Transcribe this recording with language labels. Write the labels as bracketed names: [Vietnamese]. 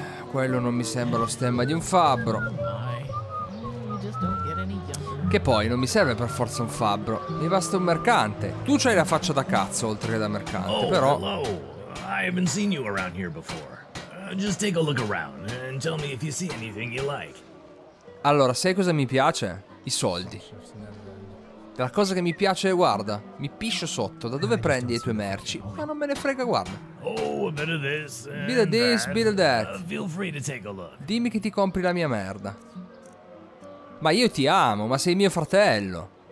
[Italian] Quello non mi sembra lo stemma di un fabbro. Che poi non mi serve per forza un fabbro. Mi basta un mercante. Tu c'hai la faccia da cazzo oltre che da mercante, oh, però... [English] Hello. I haven't seen you around here before. Just take a look around and tell me if you see anything you like. [Italian] Allora, sai cosa mi piace? I soldi. La cosa che mi piace è, guarda, mi piscio sotto, da dove prendi le tue merci? Ma non me ne frega, guarda. [English] Oh, a bit of this, bit of that. Feel free to take a look. [Italian] Dimmi che ti compri la mia merda. Ma io ti amo, ma sei mio fratello.